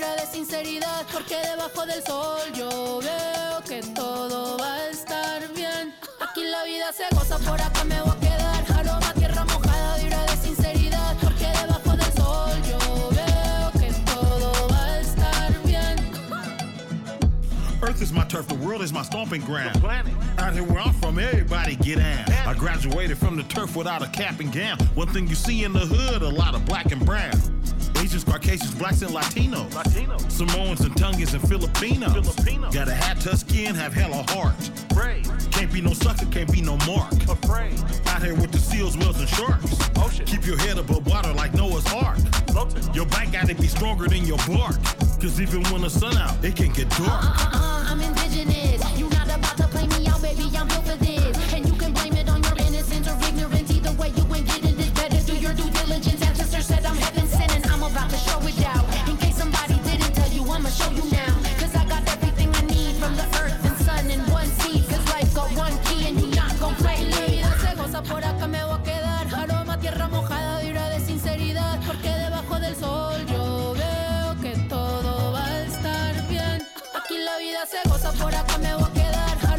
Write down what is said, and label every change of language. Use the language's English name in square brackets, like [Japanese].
[Spanish] sinceridad, porque debajo del sol yo veo que todo va a estar bien. Aquí la vida se goza, por acá me voy a quedar. Aroma, tierra mojada, vibra de sinceridad, porque debajo del sol yo veo que todo va a estar bien. [English] Earth is my turf, the world is my stomping ground. Out here where I'm from, everybody get down. I graduated from the turf without a cap and gown. One thing you see in the hood, a lot of black and brown. Asians, Caucasians, blacks, and Latinos. Latino. Samoans and Tongans and Filipinos. Filipino. Gotta have tough skin, have hella heart. Brave. Can't be no sucker, can't be no mark. Afraid. Out here with the seals, whales, and sharks. Ocean. Keep your head above water like Noah's Ark. Floating. Your back gotta be stronger than your bark. Cause even when the sun out, it can get dark. I'm indigenous. You not about to play me out, baby, I'm built for this. And you can blame it on your innocence or ignorance. Either way, you ain't getting this. Better do your due diligence. Ancestor said I'm heaven sent and I'm about to show it out. In case somebody didn't tell you, I'ma show you now. Cause I got everything I need from the earth and sun in one seed. Cause life got one key and you not gon' play me. [Spanish] La vida se goza, por acá me voy a quedar. Aroma, tierra mojada, vibra de sinceridad. Porque debajo del sol yo veo que todo va a estar bien. Aquí la vida se goza, por acá me voy a quedar.